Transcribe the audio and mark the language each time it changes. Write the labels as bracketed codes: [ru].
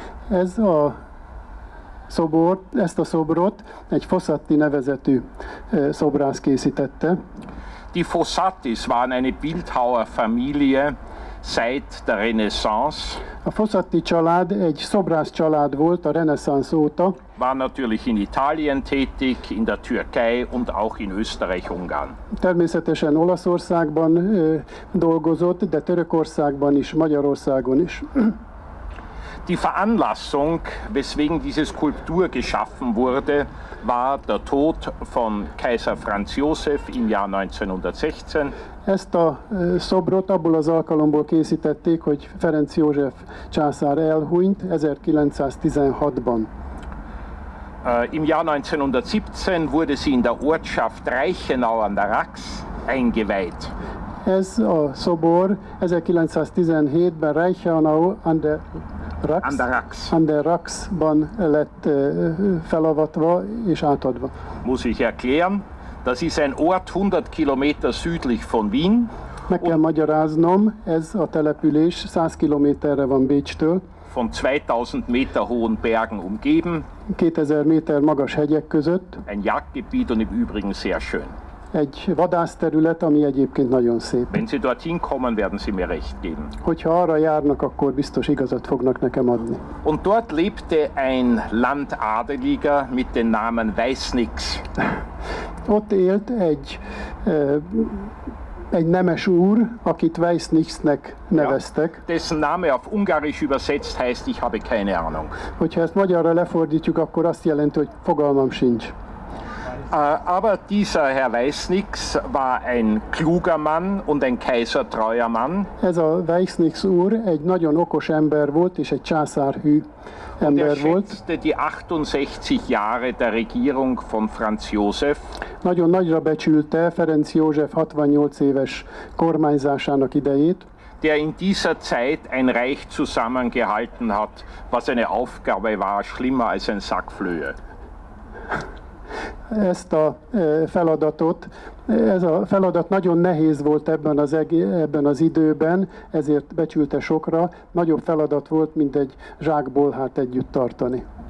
[hu] Ez a szobor, ezt a szobrot egy Fossati nevezetű szobrász készítette. [de] Die Fossatis waren eine Bildhauerfamilie seit der Renaissance. [hu] A Fossati család egy szobrász család volt a reneszánsz óta. [de] War natürlich in Italien tätig, in der Türkei und auch in Österreich-Ungarn. [hu] Természetesen Olaszországban dolgozott, de Törökországban is, Magyarországon is. [de] Die Veranlassung, weswegen diese Skulptur geschaffen wurde, war der Tod von Kaiser Franz Josef im Jahr 1916. [hu] Ezt a szobrot abból az alkalomból készítették, hogy Ferenc József császár elhunyt 1916-ban. [de] Im Jahr 1917 wurde sie in der Ortschaft Reichenau an der Rax eingeweiht. [hu] Ez a szobor 1917-ben Reichenau an der Rax, an der Raxban lett felavatva és átadva. [de] Muss ich erklären, das ist ein Ort 100 Kilometer südlich von Wien. [hu] Meg kell magyaráznom, ez a település 100 kilométerre van Bécstől. [de] Von 2000 Meter hohen Bergen umgeben. [hu] 2000 Meter magas hegyek között. [de] Ein Jagdgebiet und im Übrigen sehr schön. [hu] Egy vadászterület, ami egyébként nagyon szép. [de] Wenn Sie dorthin kommen, werden Sie mir recht geben. [hu] Hogyha arra járnak, akkor biztos igazat fognak nekem adni. [de] Und dort lebte ein Landadeliger mit dem Namen Weißnix. [hu] Ott élt egy nemes úr, akit Weißnixnek neveztek. [de] Ja, dessen Name auf Ungarisch übersetzt heißt, ich habe keine Ahnung. [hu] Hogyha ezt magyarra lefordítjuk, akkor azt jelenti, hogy fogalmam sincs. [de] Aber dieser Herr Weißnix war ein kluger Mann und ein kaisertreuer Mann. [hu] Ez a Weißnix úr egy nagyon okos ember volt és egy császárhű ember volt. [de] Und er schätzte die 68 Jahre der Regierung von Franz Josef. [hu] Nagyon nagyra becsülte Ferenc József 68 éves kormányzásának idejét. [de] Der in dieser Zeit ein Reich zusammengehalten hat, was eine Aufgabe war, schlimmer als ein Sack Flöhe. [hu] Ezt a feladatot, ez a feladat nagyon nehéz volt ebben az időben, ezért becsülte sokra, nagyobb feladat volt, mint egy zsákbolhát együtt tartani.